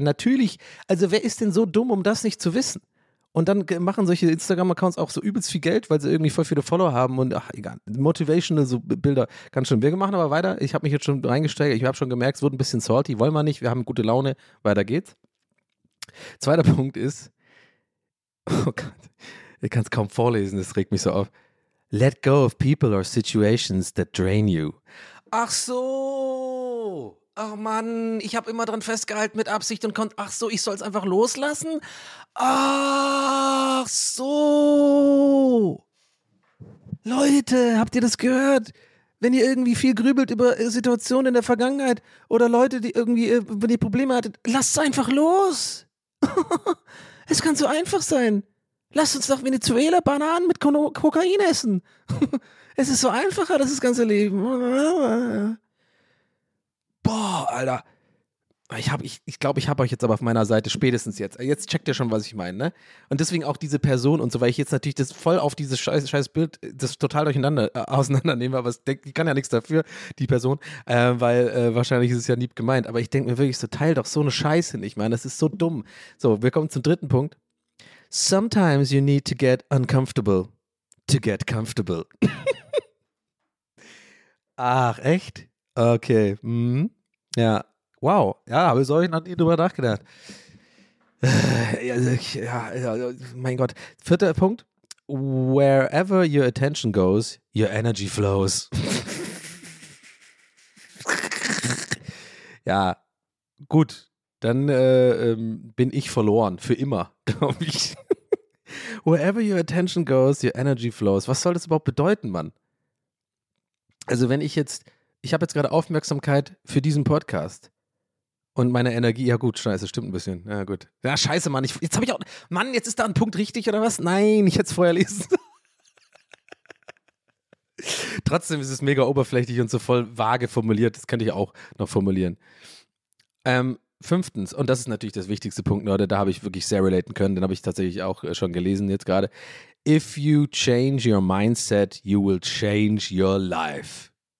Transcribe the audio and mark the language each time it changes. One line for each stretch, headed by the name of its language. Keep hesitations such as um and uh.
German: Natürlich, also wer ist denn so dumm, um das nicht zu wissen? Und dann machen solche Instagram-Accounts auch so übelst viel Geld, weil sie irgendwie voll viele Follower haben und ach, egal. Motivational so Bilder, ganz schön. Wir machen aber weiter. Ich habe mich jetzt schon reingesteigert. Ich habe schon gemerkt, es wurde ein bisschen salty. Wollen wir nicht. Wir haben gute Laune. Weiter geht's. Zweiter Punkt ist. Oh Gott ich kann es kaum vorlesen, das regt mich so auf.
English: Let go of people or situations that drain you.
German: Ach so! Ach man, ich habe immer dran festgehalten mit Absicht und kommt. Ach so, ich soll es einfach loslassen? Ach so! Leute, habt ihr das gehört? Wenn ihr irgendwie viel grübelt über Situationen in der Vergangenheit oder Leute, die irgendwie, wenn ihr Probleme hattet, lasst es einfach los! es kann so einfach sein. Lasst uns doch Venezuela Bananen mit Kokain essen. es ist so einfacher, das ganze Leben. Boah, Alter. Ich glaube, ich, ich, glaub, ich habe euch jetzt aber auf meiner Seite, spätestens jetzt. Jetzt checkt ihr schon, was ich meine. Ne? Und deswegen auch diese Person und so, weil ich jetzt natürlich das voll auf dieses scheiß, scheiß Bild das total durcheinander äh, auseinandernehme, aber ich denk, kann ja nichts dafür, die Person, äh, weil äh, wahrscheinlich ist es ja lieb gemeint. Aber ich denke mir wirklich so, teil doch so eine Scheiße nicht, meine, das ist so dumm. So, wir kommen zum dritten Punkt.
English: Sometimes you need to get uncomfortable to get comfortable.
German: Ach, echt? Okay. Mm -hmm. Ja. Wow. Ja, habe ich noch nie drüber nachgedacht. Ja, ja, ja, mein Gott. Vierter Punkt.
English: Wherever your attention goes, your energy flows.
German: ja, gut. Dann äh, bin ich verloren. Für immer glaube ich.
English: Wherever your attention goes, your energy flows.
German: Was soll das überhaupt bedeuten, Mann? Also, wenn ich jetzt, ich habe jetzt gerade Aufmerksamkeit für diesen Podcast und meine Energie, ja gut, scheiße, stimmt ein bisschen. Ja, gut. Ja, scheiße, Mann. Ich, jetzt habe ich auch, Mann, jetzt ist da ein Punkt richtig oder was? Nein, ich hätte es vorher lesen. Trotzdem ist es mega oberflächlich und so voll vage formuliert. Das könnte ich auch noch formulieren. Ähm, fünftens, und das ist natürlich das wichtigste Punkt, Leute, da habe ich wirklich sehr relaten können, den habe ich tatsächlich auch schon gelesen jetzt gerade.
English: If you change your mindset, you will change your life.